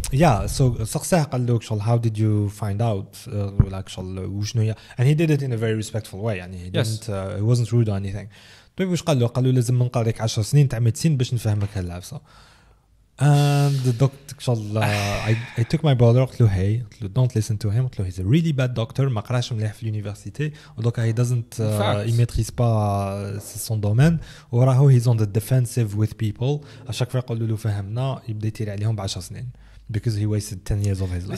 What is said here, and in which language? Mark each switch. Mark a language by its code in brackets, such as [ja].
[en] Yeah, so Sarsah [ar] قال له [en] actually how did you find out actually [ar] وشنو هي [en] and he did it in a very respectful way. [ar] يعني [en] he wasn't rude or anything. [ar] طيب واش قال له؟ قال له لازم نقريك 10 سنين تاع ميدسين باش نفهمك هاللعبة. [en] And the doctor I took my brother to hey don't listen to him he's a really bad doctor [ar] ma qrash mlih fi l'universite [fr] donc [en] he doesn't [fr] il maîtrise pas son domaine [ar] ou raho [en] he's on the defensive with people [fr] a chaque fois qu'on le [ar] fahamna il bda tir alihom ba 10 snin [en] because he wasted 10 years of his life.